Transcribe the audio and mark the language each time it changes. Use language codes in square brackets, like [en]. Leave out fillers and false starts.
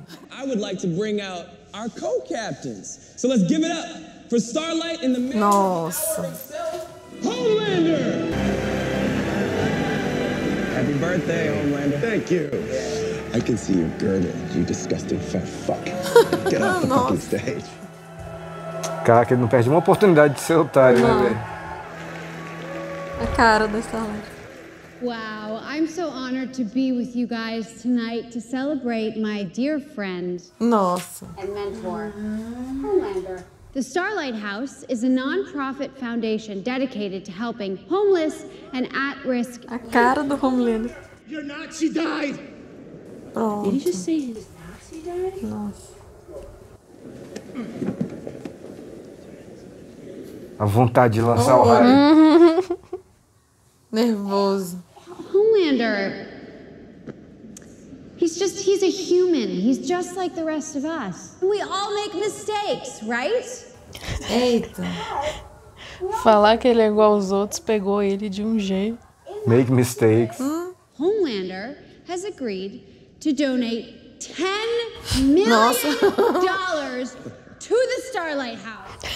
[en] I would like to bring out our co-captains. So let's give it up for Starlight and the man himself, Homelander! Happy birthday, Homelander. Thank you. I can see your girdle, you disgusting fat fuck. Get off the fucking stage. [pt] Caraca, ele não perde uma oportunidade de ser otário, né, velho? A cara da Starlight. [en] Wow, I'm so honored to be with you guys tonight to celebrate my dear friend. [pt] Nossa. [en] And mentor, Homelander. The Starlight House is a non-profit foundation dedicated to helping homeless and at-risk... [pt] A cara do Homelander. [en] Your Nazi died! [pt] Pronto. [en] Did he just say his Nazi died? [pt] Nossa. A vontade de lançar o raio. Nervoso. [en] Homelander. He's a human. He's just like the rest of us. We all make mistakes, right? [pt] Eita. Falar que ele é igual aos outros pegou ele de um jeito. [en] Make mistakes. Homelander has agreed to donate $10 million to the Starlight House.